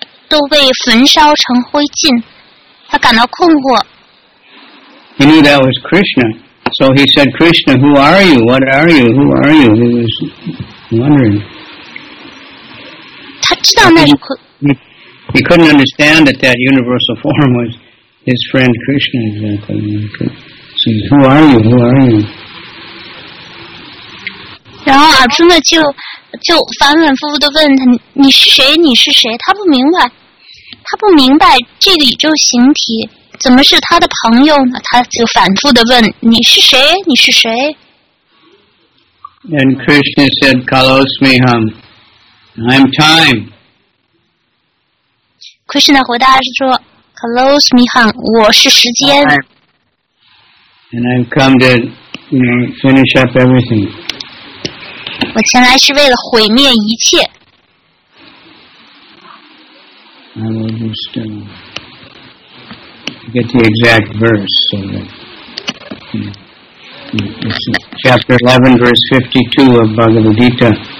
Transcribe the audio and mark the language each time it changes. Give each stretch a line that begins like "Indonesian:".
Chinese: 都被焚烧成灰烬，他感到困惑。
English: He knew that was Krishna, so he said, "Krishna, who are you? What are you? Who are you?" He was wondering.
Chinese: 他知道那是困。
English: He couldn't understand that universal form was his friend Krishna. Exactly. He said, "Who are you? Who are you?"
Chinese: 然后阿朱呢就反反复复地问他，你是谁？你是谁？他不明白这个宇宙形体怎么是他的朋友呢？他就反复地问，你是谁？你是谁？
English: And Krishna said, Kalosmiham, I'm time.
Chinese: Krishna 回答是说， Kalosmiham, 我是时间。
English: And I've come to, you know, finish up everything.
Chinese: 我前来是为了毁灭一切。
English: I will just get the exact verse. So it's chapter 11, verse 52 of Bhagavad Gita.